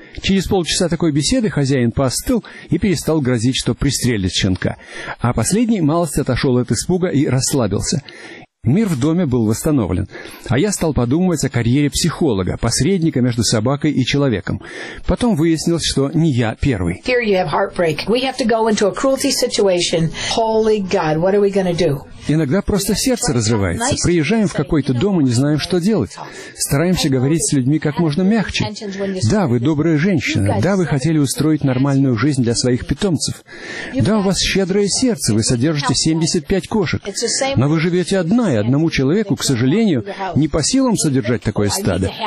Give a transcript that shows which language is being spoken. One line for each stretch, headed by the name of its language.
Russian: Через полчаса такой беседы хозяин поостыл и перестал грозить, что пристрелит щенка. А последний малость отошел от испуга и расслабился. Мир в доме был восстановлен. А я стал подумывать о карьере психолога, посредника между собакой и человеком. Потом выяснилось, что не я первый.
English: Here you have heartbreak. We have to go into a cruelty situation. Holy God, what are we going to do?
Russian: Иногда просто сердце разрывается. Приезжаем в какой-то дом и не знаем, что делать. Стараемся говорить с людьми как можно мягче. Да, вы добрая женщина. Да, вы хотели устроить нормальную жизнь для своих питомцев. Да, у вас щедрое сердце. Вы содержите 75 кошек. Но вы живете одна, и одному человеку, к сожалению, не по силам содержать такое стадо.